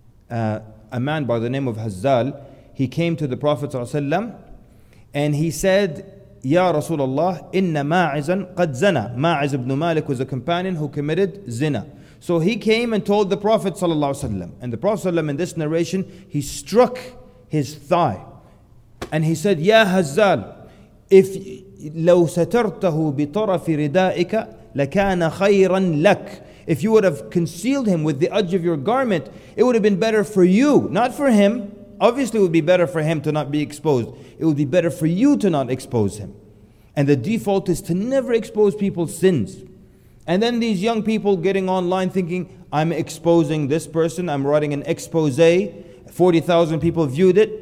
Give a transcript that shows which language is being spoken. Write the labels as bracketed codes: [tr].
[en] A man by the name of Hazzal, he came to the Prophet ﷺ and he said, [ar] Ya Rasulullah, inna ma'izan qad zana. [en] Ma'iz ibn Malik was a companion who committed zina. So he came and told the Prophet ﷺ. And the Prophet ﷺ in this narration, he struck his thigh. And he said, Ya Hazzal, if [ar] لو سترته بطرف ردائك لكان خيرا لك. [en] If you would have concealed him with the edge of your garment, it would have been better for you, not for him. Obviously, it would be better for him to not be exposed. It would be better for you to not expose him. And the default is to never expose people's sins. And then these young people getting online thinking, I'm exposing this person, I'm writing an expose, 40,000 people viewed it.